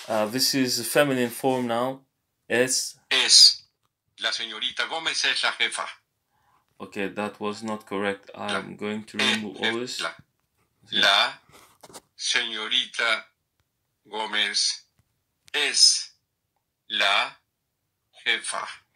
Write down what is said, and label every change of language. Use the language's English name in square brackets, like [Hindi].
[English] This is a feminine form now. [Spanish] Es. La señorita Gómez es la jefa. [English] Okay, that was not correct. I'm going to remove all this. [Spanish] La señorita Gómez es la jefa.